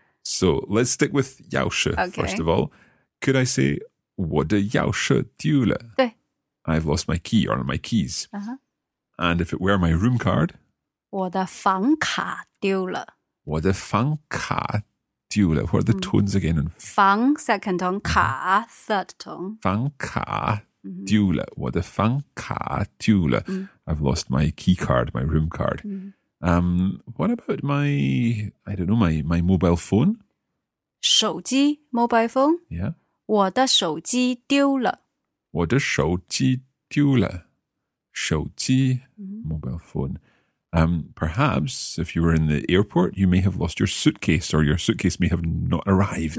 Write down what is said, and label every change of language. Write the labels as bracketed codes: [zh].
[en] So let's stick with 钥匙 first of all. Could I say, [zh] 我的钥匙丢了? 对. [en] I've lost my key or my keys. Uh-huh. And if it were my room card? [zh] 我的房卡丢了. 我的房卡丢了。 [en] What are the tones again? 房, second tone, 卡, third tone. [zh] 房卡丢了,我的房卡丢了。 [en] I've lost my key card, my room card. Mm. What about my mobile phone? 手机, mobile phone? Yeah. [zh] 我的手机丢了。我的手机丢了。 [en] 手机, mobile phone. Perhaps if you were in the airport, you may have lost your suitcase or your suitcase may have not arrived.